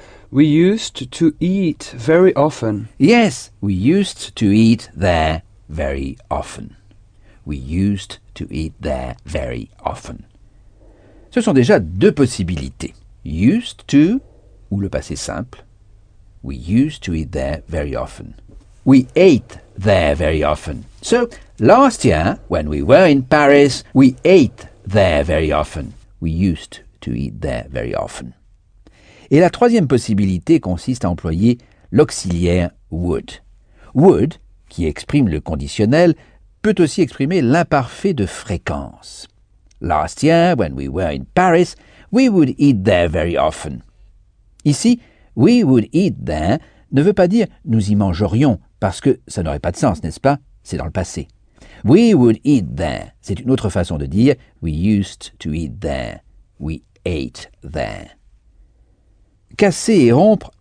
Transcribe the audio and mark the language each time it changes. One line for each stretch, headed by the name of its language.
English: We used to eat very often. Yes, we used to eat there very often. We used to eat there very often.
French: Ce sont déjà deux possibilités.
English: Used to,
French: ou le passé simple.
English: We used to eat there very often. We ate there very often. So, last year, when we were in Paris, we ate there very often. We used to eat there very often.
French: Et la troisième possibilité consiste à employer l'auxiliaire would. Would, qui exprime le conditionnel, peut aussi exprimer l'imparfait de fréquence.
English: Last year, when we were in Paris, we would eat there very often.
French: Ici,
English: we would eat there
French: ne veut pas dire nous y mangerions, parce que ça n'aurait pas de sens, n'est-ce pas? C'est dans le passé.
English: We would eat there.
French: C'est une autre façon de dire
English: we used to eat there. We ate there.
French: Casser et rompre